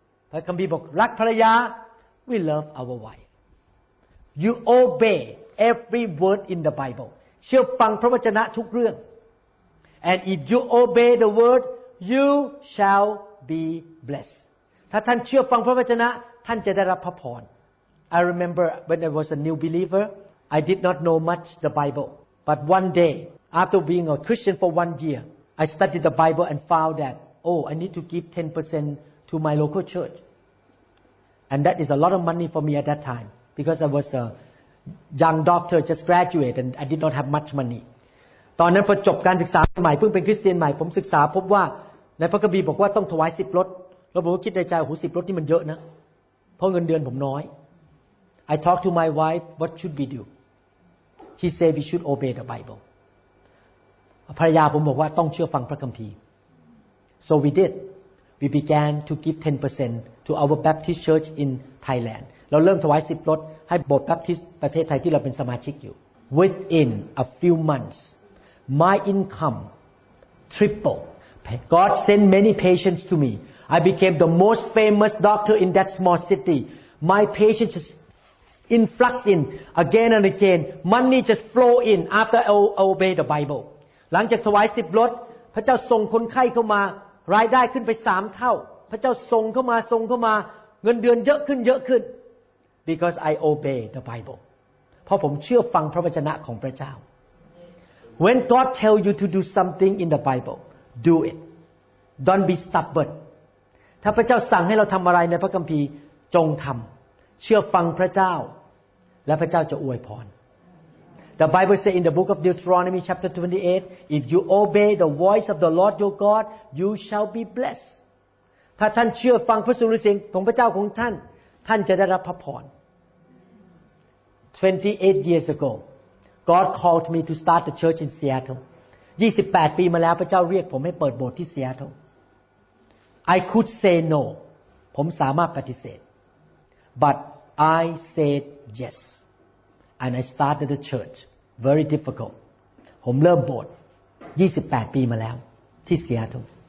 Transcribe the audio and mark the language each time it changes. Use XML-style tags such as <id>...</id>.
<th>พระคัมภีร์บอกรักภรรยา</th> <en>We love our wife. You obey every word in the Bible.</en> <th>เชื่อฟังพระวจนะทุกเรื่อง</th> <en>And if you obey the word, you shall be blessed.</en> <th>ถ้าท่านเชื่อฟังพระวจนะท่านจะได้รับพระพร</th> <en>I remember when I was a new believer, I did not know much the Bible. But one day, after being a Christian for 1 year, I studied the Bible and found that, oh, I need to give 10% to my local church. And that is a lot of money for me at that time, because I was a young doctor, just graduated, and I did not have much money.</en> <th>ตอนนั้นพอจบการศึกษาใหม่เพิ่งเป็นคริสเตียนใหม่ผมศึกษาพบว่าในพระคัมภีร์บอกว่าต้องถวาย10รถแล้วผมก็คิดในใจหู10รถนี่มันเยอะนะเพราะเงินเดือนผมน้อย</th> <en>I talked to my wife what should we do She said we should obey the Bible</en> <th>ภรรยาผมบอกว่าต้องเชื่อฟังพระคัมภีร์</th> <en>So we did we began to give 10% to our Baptist church in Thailand</en> <th>เราเริ่มถวาย10รถให้โบสถ์แบปทิสต์ประเทศไทยที่เราเป็นสมาชิกอยู่</th> <en>Within a few monthsMy income tripled. God sent many patients to me. I became the most famous doctor in that small city. My patients just influx in again and again. Money just flow in after I obey the Bible.</en> <th>หลังจากถวายสิบรถพระเจ้าส่งคนไข้เข้ามารายได้ขึ้นไป3เท่าพระเจ้าส่งเข้ามาส่งเข้ามาเงินเดือนเยอะขึ้นเยอะขึ้น</th> <en>Because I obey the Bible.</en> <th>เพราะผมเชื่อฟังพระวจนะของพระเจ้า</th> <en>When God tell you to do something in the Bible, do it. Don't be stubborn.</en> <th>ถ้าพระเจ้าสั่งให้เราทำอะไรในพระคัมภีร์จงทำเชื่อฟังพระเจ้าและพระเจ้าจะอวยพร</th> <en>The Bible say in the book of Deuteronomy chapter 28, if you obey the voice of the Lord your God, you shall be blessed.</en> <th>ถ้าท่านเชื่อฟังพระสุรเสียงของพระเจ้าของท่านท่านจะได้รับพระพร</th> <en>28 years agoGod called me to start the church in Seattle.</en> <th>28 ปีมาแล้วพระเจ้าเรียกผมให้เปิดโบสถ์ที่ Seattle.</th> <en>I could say no.</en> <th>ผมสามารถปฏิเสธ</th> <en>But I said yes. And I started the church. Very difficult.</en> <th>ผมเริ่มโบสถ์28ปีมาแล้วที่ Seattle.</th>